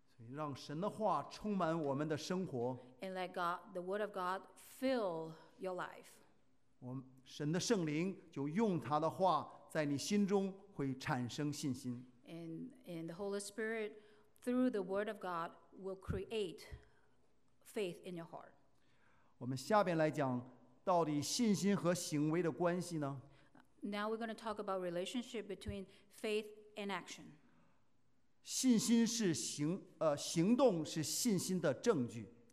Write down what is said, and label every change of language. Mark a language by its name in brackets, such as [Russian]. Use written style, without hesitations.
[Chinese] 让神的话充满我们的生活。 [English] And let God, the word of God, fill your life. [Chinese] 神的圣灵就用他的话在你心中会产生信心。 [English] And the Holy Spirit, through the word of God, will create faith in your heart. [Chinese] 我们下边来讲到底信心和行为的关系呢？ [English] Now we're going to talk about relationship between faith and action. [Chinese] 信心是行动是信心的证据。